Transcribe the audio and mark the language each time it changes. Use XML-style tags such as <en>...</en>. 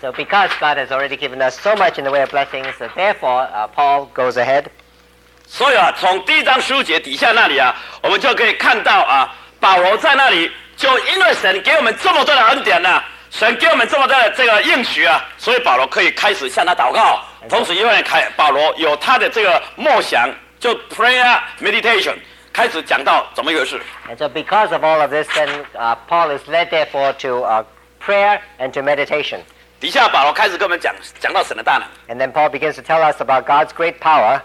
<en>so because God has already given us so much in the way of blessings, therefore Paul goes ahead.</en> <zh>所以啊，从第一章15节底下那里啊，我们就可以看到啊，保罗在那里。就因为神给我们这么多的恩典呢，神给我们这么多的这个应许啊，所以保罗可以开始向他祷告。同时，因为保罗有他的这个梦想，就</zh> <en>prayer meditation</en> <zh>开始讲到怎么回事。</zh> <en>And so because of all of this, then Paul is led therefore to prayer and to meditation.</en> <zh>底下保罗开始跟我们讲到神的大能。</zh> <en>And then Paul begins to tell us about God's great power.</en>